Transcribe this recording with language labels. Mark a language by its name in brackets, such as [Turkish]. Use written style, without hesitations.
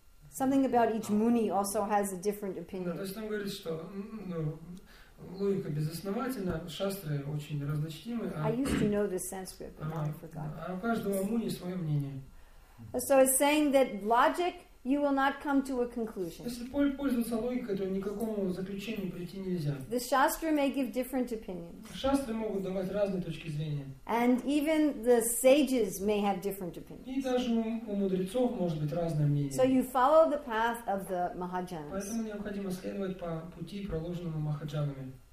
[English] Something about each Muni also has a different opinion. [Russian] Логика безосновательна, шастры очень разночтимы. [English] I used to know the Sanskrit, but now I forgot. [Russian] А у каждого муни свое мнение. [English] So it's saying that logic, you will not come to a conclusion. [Russian] Если пользоваться логикой, то никакому заключению прийти нельзя. [English] The Shastra may give different opinions. [Russian] Шастры могут давать разные точки зрения. [English] And even the sages may have different opinions. [Russian] И даже у мудрецов может быть разное мнение. [English] So you follow the path of the Mahajanas. [Russian] Поэтому необходимо следовать по пути, проложенному Махаджанами.